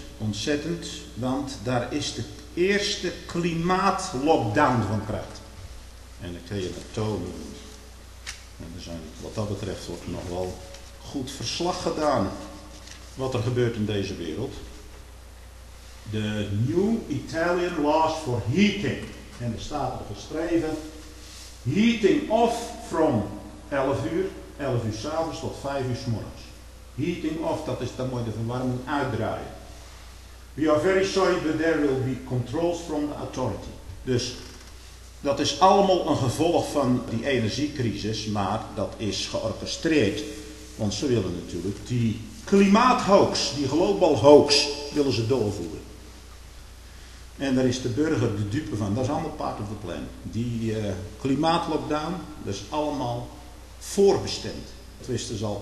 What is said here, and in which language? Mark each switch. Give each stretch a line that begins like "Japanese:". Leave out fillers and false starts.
Dutch: Ontzettend, want daar is de eerste klimaatlockdown van kracht. En dan kun je dat tonen. En er zijn, wat dat betreft wordt er nog wel goed verslag gedaan wat er gebeurt in deze wereld.
English: The new Italian laws for heating.
Dutch: En er staat er geschreven:
English: heating off
Dutch: from 11 uur s'avonds tot 5 uur s'morgens.
English: Heating off,
Dutch: dat is dan mooi de verwarming uitdraaien.
English: We are very sorry, but there will be controls from the authority.
Dutch: Dus dat is allemaal een gevolg van die energiecrisis, maar dat is georchestreerd. Want ze willen natuurlijk die klimaathoax, die
English: global hoax,
Dutch: willen ze doorvoeren. En daar is de burger de dupe van. Dat is allemaal
English: part of the plan.
Dutch: Die klimaatlockdown, dat is allemaal voorbestemd. Dat wisten ze al.